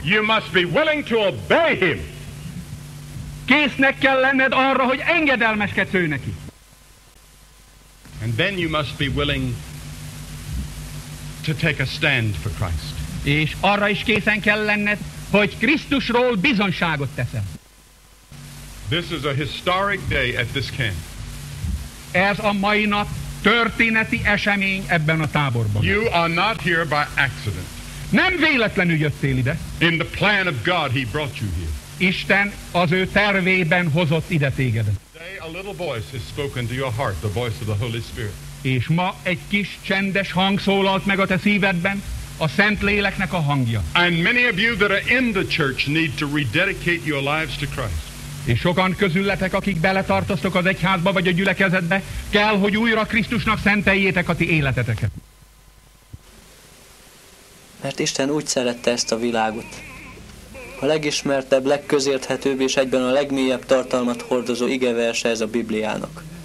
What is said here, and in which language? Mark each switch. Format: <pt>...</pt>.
<en>You must be willing to obey him.</en> <hu>Késznek kell lenned arra, hogy engedelmeskedsz ő neki.</hu> <en>And then you must be willing to take a stand for Christ.</en> <hu>És arra is készen kell lenned, hogy Krisztusról bizonyságot teszel.</hu> <en>This is a historic day at this camp.</en> <hu>Ez a mai nap történeti esemény ebben a táborban.</hu> <en>You are not here by accident.</en> <hu>Nem véletlenül jöttél ide.</hu> <en>In the plan of God, he brought you here.</en> <hu>Isten az ő tervében hozott ide téged.</hu> <en>Today a little voice has spoken to your heart, the voice of the Holy Spirit.</en> <hu>És ma egy kis csendes hang szólalt meg a te szívedben, a Szentléleknek a hangja.</hu> <en>And many of you that are in the church need to rededicate your lives to Christ.</en> <hu>És sokan közületek, akik beletartoztok az egyházba vagy a gyülekezetbe, kell, hogy újra Krisztusnak szenteljétek a ti életeteket. Mert Isten úgy szerette ezt a világot. A legismertebb, legközérthetőbb és egyben a legmélyebb tartalmat hordozó igeverse ez a Bibliának.</hu>